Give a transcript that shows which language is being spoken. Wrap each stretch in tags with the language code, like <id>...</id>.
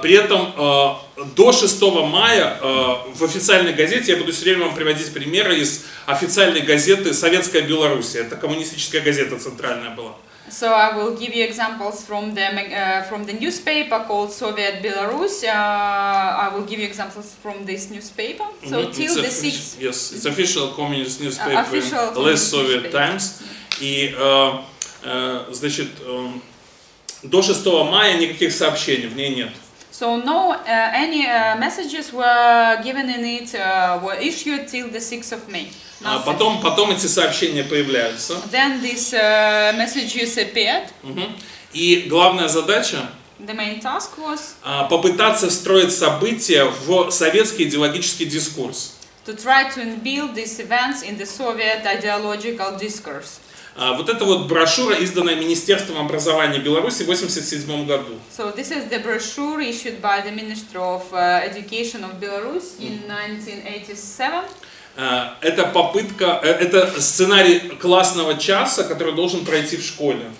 <ru>При этом до 6 мая в официальной газете, я буду все время вам приводить примеры из официальной газеты «Советская Белоруссия». Это коммунистическая газета центральная была.</ru> <en>So I will give you examples from the newspaper called Soviet Belarus. I will give you examples from this newspaper. So mm-hmm. till the 6th. Yes, it's official communist newspaper in Less Soviet Times.</en> <ru>И, значит, до 6 мая никаких сообщений в ней нет.</ru> <en>So no any messages were given in it, were issued till the 6th of May.</en> <ru>А потом, потом эти сообщения появляются.</ru> <en>Then this, messages appeared. Uh-huh.</en> <ru>И главная задача</ru> <en>the main task was</en> <ru>попытаться встроить события в советский идеологический дискурс.</ru> <en>To try to build these events in the Soviet ideological discourse.</en> <ru>Вот эта вот брошюра, изданная Министерством образования Беларуси в 87 году.</ru> <en>So this is the brochure issued by the Minister of Education of Belarus in 1987.</en> <ru>Это попытка, это сценарий классного часа, который должен пройти в школе.</ru>